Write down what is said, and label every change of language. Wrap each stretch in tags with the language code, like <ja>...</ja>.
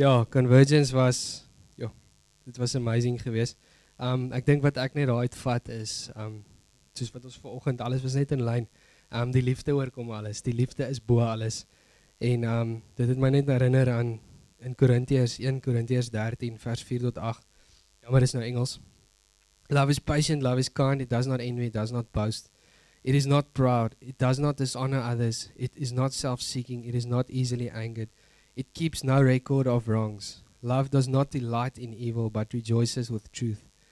<af>Convergence was... Dit was amazing geweest. Ek denk wat ek net uitvat is, soos wat ons vanoggend alles was net in lyn. Die liefde oorkom alles, die liefde is bo alles. En dit het my net herinner aan in Korintiërs 1 Korintiërs 13 vers 4 tot 8. Jammer is nou Engels.</af> <en>Love is patient, love is kind, it does not envy, it does not boast. It is not proud, it does not dishonor others, it is not self-seeking, it is not easily angered. It keeps no record of wrongs. Love does not delight in evil, but rejoices with truth.</en>